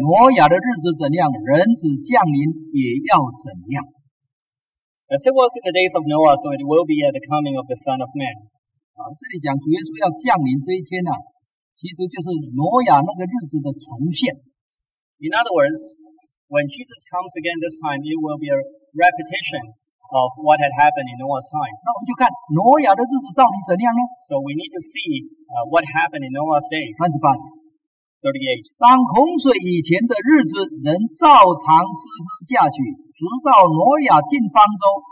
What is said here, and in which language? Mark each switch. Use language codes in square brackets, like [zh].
[zh] 挪亚的日子怎样，人子降临也要怎样。 [en] As it was in the days of Noah, so it will be at the coming of the Son of Man. [zh] 这里讲主耶稣要降临这一天，其实就是挪亚那个日子的重现。 [en] In other words, when Jesus comes again this time, it will be a repetition of what had happened in Noah's time. [zh] 那我们就看挪亚的日子到底怎样呢？ [en] So we need to see what happened in Noah's days. [zh] 38节。 [en] 38. [zh] 当洪水以前的日子，人照常吃喝嫁娶，直到挪亚进方舟。